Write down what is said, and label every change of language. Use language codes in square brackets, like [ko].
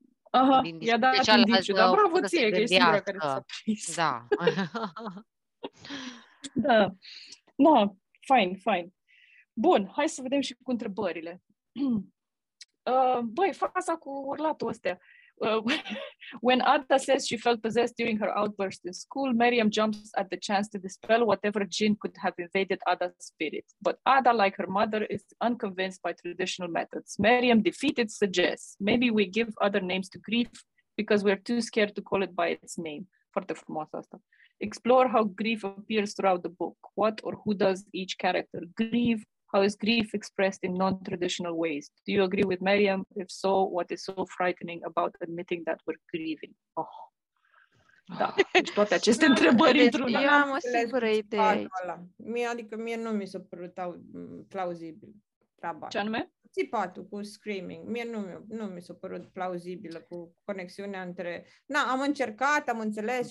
[ro] Aha, i-a dat indiciu. Dar bravo ție, că ești singura care s-a prins. Da. Da. No, fain. Bun, hai să vedem și cu întrebările. Băi, fața cu urlatul ăsta. [en] When Ada says she felt possessed during her outburst in school, Meriam jumps at the chance to dispel whatever djinn could have invaded Ada's spirit. But Ada, like her mother, is unconvinced by traditional methods. Meriam defeated suggests, maybe we give other names to grief because we're too scared to call it by its name. [ro] Foarte frumos asta. [en] Explore how grief appears throughout the book. What or who does each character grieve? How is grief expressed in non-traditional ways? Do you agree with Meriam? If so, what is so frightening about admitting that we're grieving? Oh. [ro] Da, deci toate aceste întrebări într-una. Eu am o singură idee. Mie nu mi s-a părut plauzibil treaba. Ce anume? Țipatul cu screaming. Mie nu mi s-a părut plauzibilă cu conexiunea între... Na, am încercat, am înțeles.